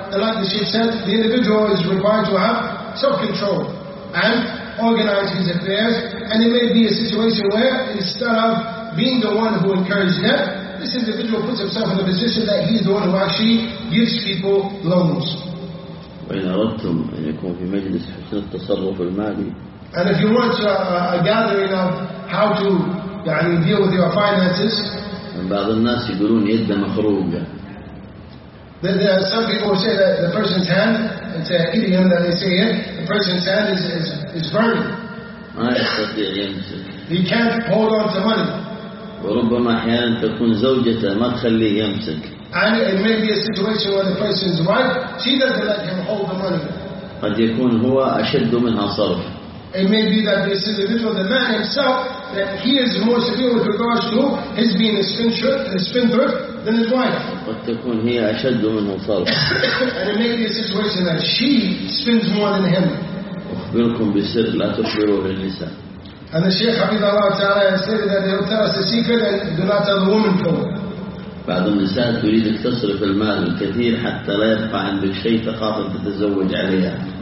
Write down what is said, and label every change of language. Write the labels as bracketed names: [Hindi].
[English] And like the Sheikh said, the individual is required to have self-control and organize his affairs. And it may be a situation where instead of being the one who incurs debt, this individual puts himself in a position that he is the one who actually gives people loans. [Arabic] وإن أردتم أن يكون في مجلس حسن التصرف المالي. [English] And if you want a gathering of how to [Arabic] يعني [English] deal with your finances. [Arabic] بعض الناس يقولون يده مخروقة. [English] Then there are some people say that the person's hand, it's an idiom that they say it, the person's hand is burning. [Arabic] ما يستطيع يمسك. [English] He can't hold on to money. [Arabic] وربما أحيانا تكون زوجته ما تخليه يمسك. [English] And it may be a situation where the person's wife, she doesn't let him hold the money. [Arabic] قد يكون هو أشد منها صرف. [English] It may be that this individual, the man himself, that he is more severe with regards to his being a spendthrift than his wife. [Arabic] قد تكون هي أشد منها صرف. [English] And it may be a situation that she spends more than him. [Arabic] أخبركم بسر لا تخبروه للنساء. [English] And the Shaykh [Arabic] حفظه الله تعالى [English] said that they will tell us a secret and do not tell the woman to. [Arabic] بعض النساء تريدك تصرف المال الكثير حتى لا يبقى عندك شيء تخاف تتزوج عليها.